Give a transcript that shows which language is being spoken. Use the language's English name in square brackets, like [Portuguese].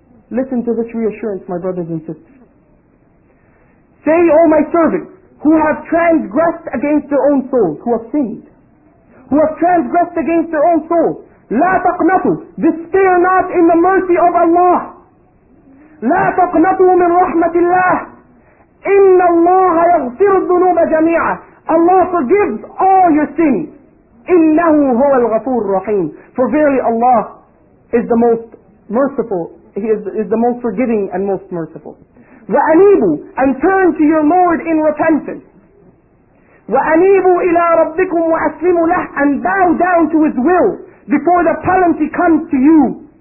[English] Listen to this reassurance, my brothers and sisters. Say, O my servants, who have transgressed against their own souls, who have sinned, who have transgressed against their own souls, [Arabic] لا تقنطوا, [English] despair not in the mercy of Allah. [Arabic] لا تقنطوا من رحمة الله. إن الله يغفر الذنوب جميعا. [English] Allah forgives all your sins. [Arabic] إنه هو الغفور الرحيم. [English] For verily Allah is the most merciful. He is the most forgiving and most merciful. [Arabic] وَأَنِيبُوا, [English] and turn to your Lord in repentance. [Arabic] وَأَنِيبُوا إِلَىٰ رَبِّكُمْ وَأَسْلِمُوا لَهُ, [English] and bow down to His will before the penalty comes to you.